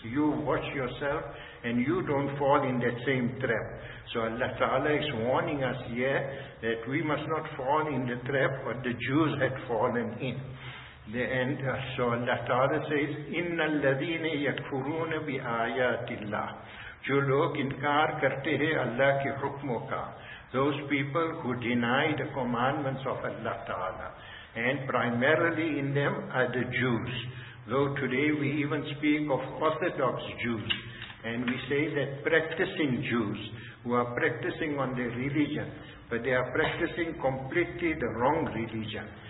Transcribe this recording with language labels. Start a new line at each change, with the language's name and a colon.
English: You watch yourself and you don't fall in that same trap. So Allah Ta'ala is warning us here that we must not fall in the trap what the Jews had fallen in. And so Allah Ta'ala says,
Arabic: إِنَّ الَّذِينَ يَكْفُرُونَ بِآيَاتِ اللَّهِ.
Urdu: جو لوگ انکار کرتے ہیں اللہ کی حکموں کا.
English: Those people who deny the commandments of Allah Ta'ala. And primarily in them are the Jews. Though today we even speak of Orthodox Jews. And we say that practicing Jews who are practicing on their religion, but they are practicing completely the wrong religion.